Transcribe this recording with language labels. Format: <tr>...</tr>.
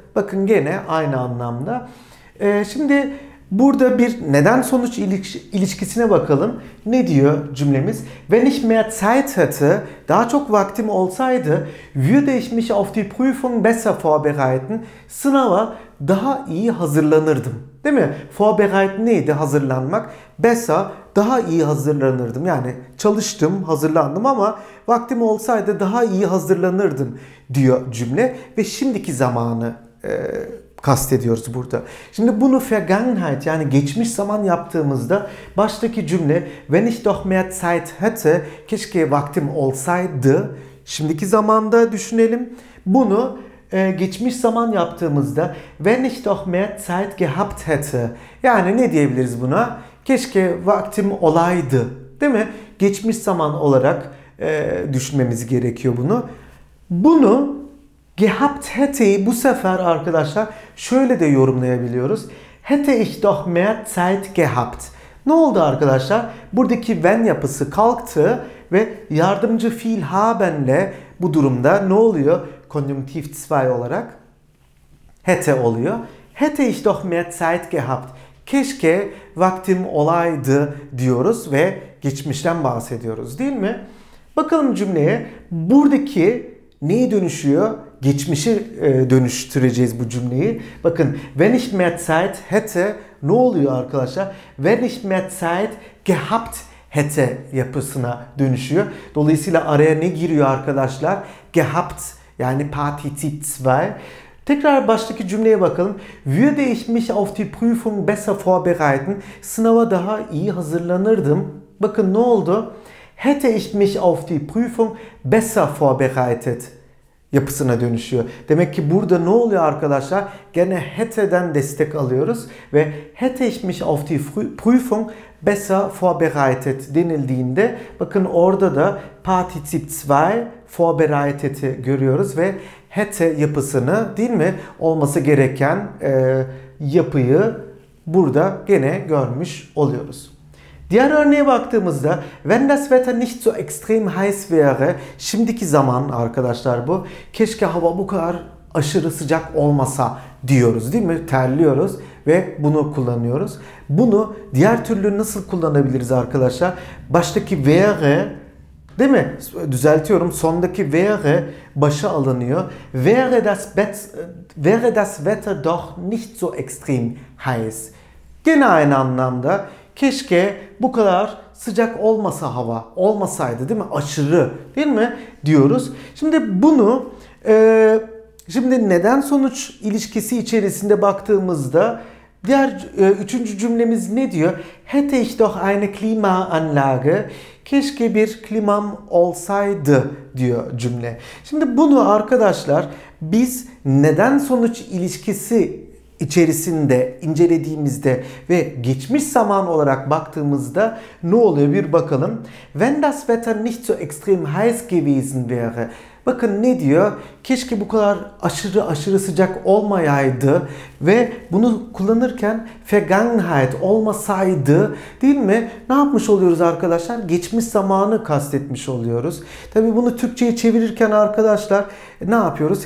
<tr>Bakın gene aynı anlamda. Şimdi burada bir neden sonuç ilişkisine bakalım. Ne diyor cümlemiz?</tr> <de>Wenn ich mehr Zeit hätte,</de> <tr>daha çok vaktim olsaydı,</tr> <de>würde ich mich auf die Prüfung besser vorbereiten.</de> <tr>Sınava daha iyi hazırlanırdım. Değil mi? Vorbereiten neydi? Hazırlanmak. Besser, daha iyi hazırlanırdım. Yani çalıştım, hazırlandım ama vaktim olsaydı daha iyi hazırlanırdım diyor cümle. Ve şimdiki zamanı kastediyoruz burada. Şimdi bunu Vergangenheit, yani geçmiş zaman yaptığımızda baştaki cümle</tr> <de>wenn ich doch mehr Zeit hätte,</de> <tr>keşke vaktim olsaydı şimdiki zamanda düşünelim. Bunu geçmiş zaman yaptığımızda</tr> <de>wenn ich doch mehr Zeit gehabt hätte.</de> <tr>Yani ne diyebiliriz buna? Keşke vaktim olaydı. Değil mi? Geçmiş zaman olarak düşünmemiz gerekiyor bunu. Bunu gehabt hätte'yi bu sefer arkadaşlar şöyle de yorumlayabiliyoruz.</tr> <de>Hätte ich doch mehr Zeit gehabt.</de> <tr>Ne oldu arkadaşlar? Buradaki wenn yapısı kalktı ve yardımcı fiil haben'le bu durumda ne oluyor? Konjunktiv 2 olarak hätte oluyor.</tr> <de>Hätte ich doch mehr Zeit gehabt.</de> <tr>Keşke vaktim olaydı diyoruz ve geçmişten bahsediyoruz, değil mi? Bakalım cümleye. Buradaki neye dönüşüyor? Geçmişi dönüştüreceğiz bu cümleyi. Bakın,</tr> <de>wenn ich mehr Zeit hätte</de> <tr>ne oluyor arkadaşlar?</tr> <de>Wenn ich mehr Zeit gehabt hätte</de> <tr>yapısına dönüşüyor. Dolayısıyla araya ne giriyor arkadaşlar? Gehabt yani Partizip 2. Tekrar baştaki cümleye bakalım.</tr> <de>Würde ich mich auf die Prüfung besser vorbereiten?</de> <tr>Sınava daha iyi hazırlanırdım. Bakın ne oldu?</tr> <de>Hätte ich mich auf die Prüfung besser vorbereitet</de> <tr>yapısına dönüşüyor. Demek ki burada ne oluyor arkadaşlar? Gene hätte'den destek alıyoruz ve</tr> <de>hätte ich mich auf die Prüfung besser vorbereitet</de> <tr>denildiğinde bakın orada da Partizip 2 vorbereitet'i görüyoruz ve hätte yapısını, değil mi, olması gereken yapıyı burada gene görmüş oluyoruz. Diğer örneğe baktığımızda</tr> <de>wenn das Wetter nicht so extrem heiß wäre,</de> <tr>şimdiki zaman arkadaşlar bu, keşke hava bu kadar aşırı sıcak olmasa diyoruz, değil mi, terliyoruz ve bunu kullanıyoruz. Bunu diğer türlü nasıl kullanabiliriz arkadaşlar? Baştaki wäre, değil mi? Düzeltiyorum. Sondaki wäre başa alınıyor.</tr> <de>Wäre das Wetter doch nicht so extrem heiß.</de> <tr>Gene aynı anlamda. Keşke bu kadar sıcak olmasa hava. Olmasaydı, değil mi? Aşırı, değil mi? Diyoruz. Şimdi bunu şimdi neden sonuç ilişkisi içerisinde baktığımızda diğer üçüncü cümlemiz ne diyor?</tr> <de>Hätte ich doch eine Klimaanlage.</de> <tr>Keşke bir klimam olsaydı diyor cümle. Şimdi bunu arkadaşlar biz neden sonuç ilişkisi içerisinde incelediğimizde ve geçmiş zaman olarak baktığımızda ne oluyor bir bakalım.</tr> <de>Wenn das Wetter nicht so extrem heiß gewesen wäre.</de> <tr>Bakın ne diyor? Keşke bu kadar aşırı aşırı sıcak olmayaydı ve bunu kullanırken Vergangenheit olmasaydı, değil mi? Ne yapmış oluyoruz arkadaşlar? Geçmiş zamanı kastetmiş oluyoruz. Tabii bunu Türkçe'ye çevirirken arkadaşlar ne yapıyoruz?</tr>